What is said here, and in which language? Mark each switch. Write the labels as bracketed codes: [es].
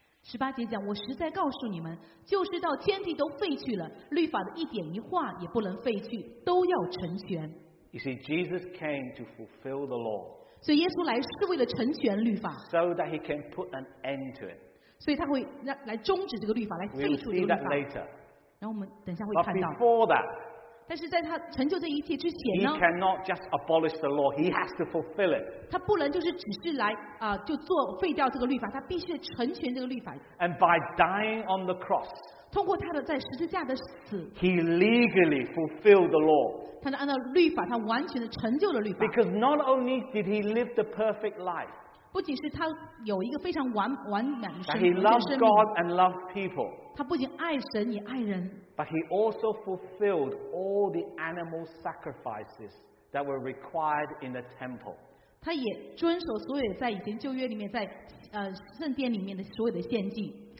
[zh] 十八节讲，我实在告诉你们，就是到天地都废去了，律法的一点一画也不能废去，都要成全。 [en] You see, Jesus came to fulfill the law. [zh] 所以耶稣来是为了成全律法。 [en] So that he can put an end to it. [zh] 所以他会来终止这个律法，来废除这个律法。然后我们等一下会看到。 [en] Before that, [zh] 但是在他成就这一切之前呢 [en] ，He cannot just abolish the law; he has to fulfill it. [zh] 他不能就是只是来啊、就做废掉这个律法，他必须成全这个律法。 [en] And by dying on the cross, [zh] 通过他的在十字架的死 [en] ，He legally fulfilled the law. [zh] 他按照律法，他完全的成就了律法。 [en] Because not only did he live the perfect life. [zh] 不仅是他有一个非常完满的生命，他 [en] loved God and loved people. [zh] 他不仅爱神也爱人。 [en] But he also fulfilled all the animal sacrifices that were required in the temple. [zh] 他也遵守所有在以前旧约里面在圣殿里面的所有的献祭。